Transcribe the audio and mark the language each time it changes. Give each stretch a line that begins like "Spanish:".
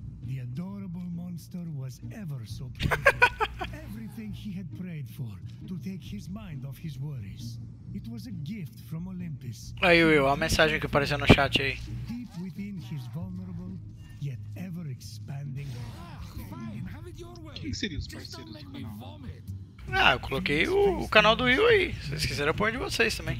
English: The adorable monster was ever so perfect. Everything he had prayed for to take his mind off his worries. It was a gift from Olympus.
Portuguese: Aí, Will, a mensagem que apareceu no chat aí.
English: Deep within his vulnerable, yet ever expanding. Ah, fine, have it your way.
Portuguese: Quem seria os parceiros do canal?
English: Vomit.
Portuguese: Ah, eu coloquei o canal do Will aí. Se vocês quiserem, eu ponho de vocês também.